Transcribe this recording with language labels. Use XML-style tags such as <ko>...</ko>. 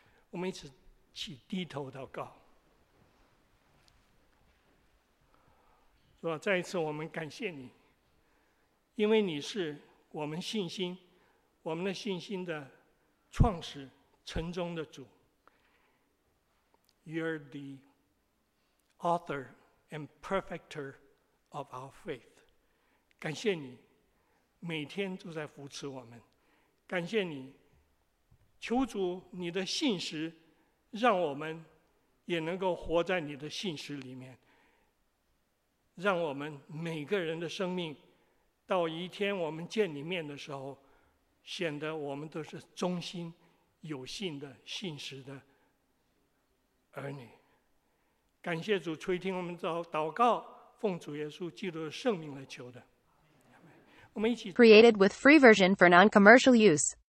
<zh>我们一起低头祷告，是吧？再一次我们感谢你，因为你是我们信心，我们的信心的创始成终的主。</zh> <en>You're the author and perfecter of our faith.</en> <zh>感谢你每天都在扶持我们，感谢你，求主你的信实让我们也能够活在你的信实里面，让我们每个人的生命到一天我们见你面的时候，显得我们都是忠心有信的信实的儿女。感谢主垂听我们祷告，奉主耶稣基督的圣名来求的。我们一起 Created with free version for non-commercial use.</zh>